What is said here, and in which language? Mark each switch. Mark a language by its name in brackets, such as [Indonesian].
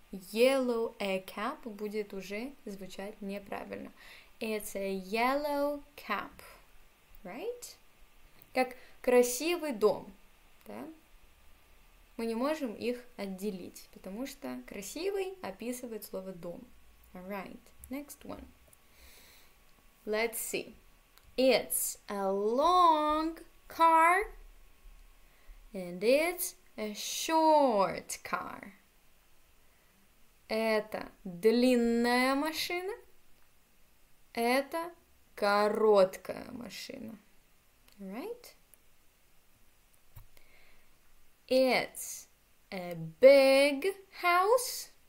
[English] Yellow a cap [Russian] будет уже звучать неправильно. [English] It's a yellow cap, right? [Russian] Как красивый дом, да? Мы не можем их отделить, потому что красивый описывает слово дом. [English] Alright, next one. Let's see. It's a long car and it's a short car. [Russian] Это длинная машина, это короткая машина. [English] Alright? It's a big house.